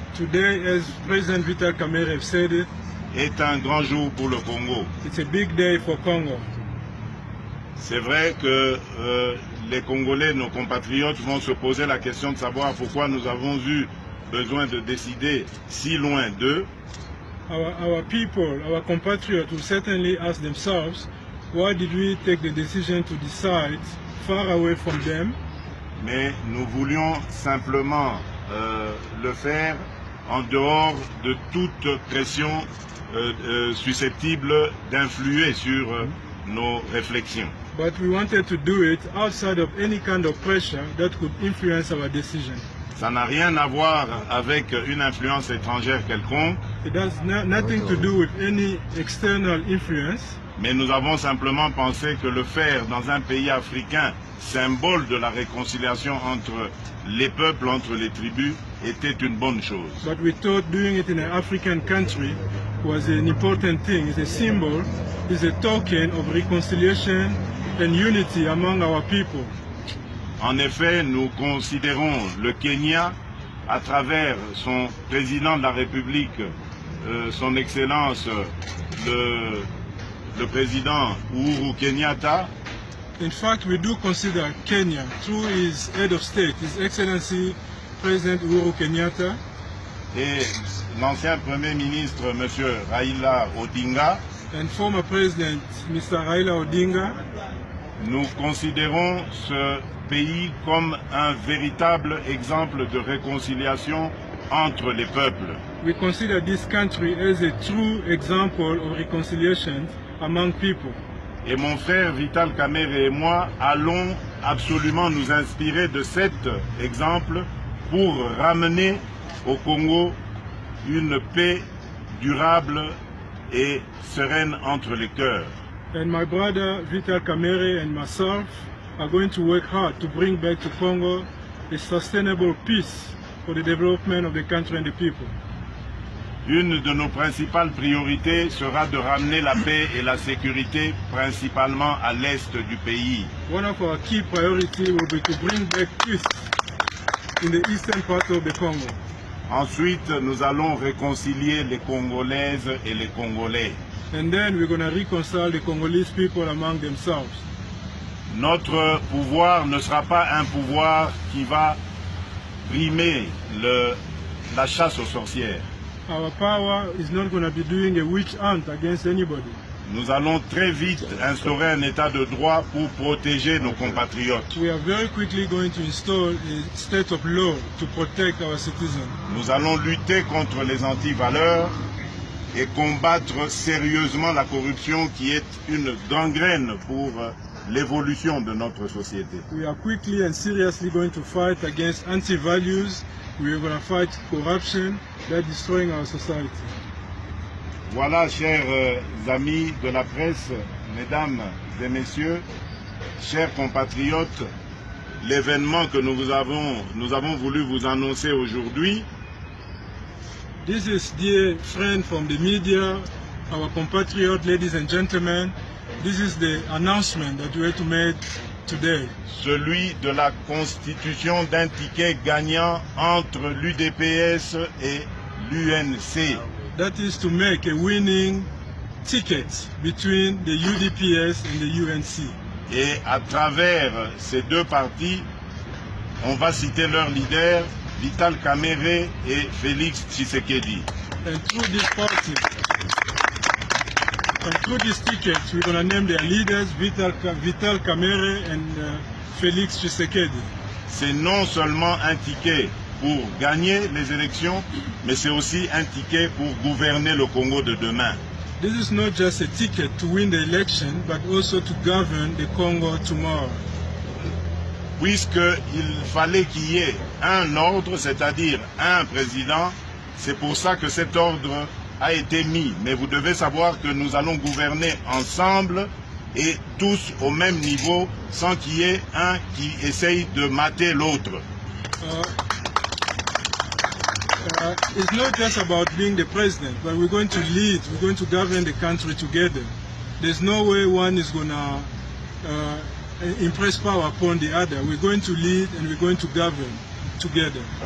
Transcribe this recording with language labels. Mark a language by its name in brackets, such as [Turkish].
[English] today as President Vital Kamerhe said, [French] est un grand jour pour le Congo. [English] It's a big day for Congo. [French] C'est vrai que les Congolais, nos compatriotes, vont se poser la question de savoir pourquoi nous avons eu besoin de décider si loin d'eux. [English] Our people, our compatriots, will certainly ask themselves, why did we take the decision to decide far away from them? [French] Mais nous voulions simplement le faire en dehors de toute pression susceptible d'influer sur nos réflexions. [English] But we wanted to do it outside of any kind of pressure that could influence our decision. [French] Ça n'a rien à voir avec une influence étrangère quelconque. [English] It has nothing to do with any external influence. [French] Mais nous avons simplement pensé que le faire dans un pays africain, symbole de la réconciliation entre les peuples, entre les tribus, était une bonne chose. [English] But we thought doing it in an African country was an important thing. It's a symbol, it's a token of reconciliation and unity among our people. [French] En effet, nous considérons le Kenya, à travers son président de la République, son Excellence, le président Uhuru Kenyatta. [English] In fact, we do consider Kenya, through his head of state, His Excellency President Uhuru Kenyatta, [French] et l'ancien Premier ministre Monsieur Raila Odinga, [English] and former President Mr. Raila Odinga. [French] Nous considérons ce pays comme un véritable exemple de réconciliation entre les peuples. [English] We consider this country as a true example of reconciliation among people. [French] Et mon frère Vital Kamerhe et moi allons absolument nous inspirer de cet exemple pour ramener au Congo une paix durable et sereine entre les cœurs. [English] And my brother Vital Kamerhe and myself are going to work hard to bring back to Congo a sustainable peace for the development of the country and the people. [French] Une de nos principales priorités sera de ramener la paix et la sécurité principalement à l'est du pays. [English] One of our key priorities will be to bring back peace in the eastern part of the Congo. [French] Ensuite, nous allons réconcilier les Congolaises et les Congolais. [English] And then we're going to reconcile the Congolese people among themselves. [French] Notre pouvoir ne sera pas un pouvoir qui va brimer la chasse aux sorcières. [English] Our power is not going to be doing a witch hunt against anybody. [French] Nous allons très vite instaurer un état de droit pour protéger nos compatriotes. [English] We are very quickly going to install a state of law to protect our citizens. [French] Nous allons lutter contre les anti-valeurs et combattre sérieusement la corruption qui est une gangrène pour l'évolution de notre société. [English] We are quickly and seriously going to fight against anti-values. We are going to fight corruption that is destroying our society. [French] Voilà, chers amis de la presse, mesdames et messieurs, chers compatriotes, l'événement que nous avons voulu vous annoncer aujourd'hui. [English] This is dear friend from the media, our compatriot, ladies and gentlemen. This is the announcement that we had to make today. [French] Celui de la constitution d'un ticket gagnant entre l'UDPS et l'UNC. [English] That is to make a winning ticket between the UDPS and the UNC. [French] Et à travers ces deux partis, on va citer leurs leaders, Vital Kamerhe et Félix Tshisekedi. [English] And through this party, and through this ticket, we're going to name their leaders, Vital Kamerhe and Félix Tshisekedi. [French] C'est non seulement un ticket pour gagner les élections, mais c'est aussi un ticket pour gouverner le Congo de demain. [English] This is not just a ticket to win the election, but also to govern the Congo tomorrow. [French] Puisqu'il fallait qu'il y ait un ordre, c'est-à-dire un président, c'est pour ça que cet ordre a été mis. Mais vous devez savoir que nous allons gouverner ensemble et tous au même niveau, sans qu'il y ait un qui essaye de mater l'autre. [English] It's not just about being the president, but we're going to lead, we're going to govern the country together. There's no way one is going to impress power upon the other. We're going to lead and we're going to govern together.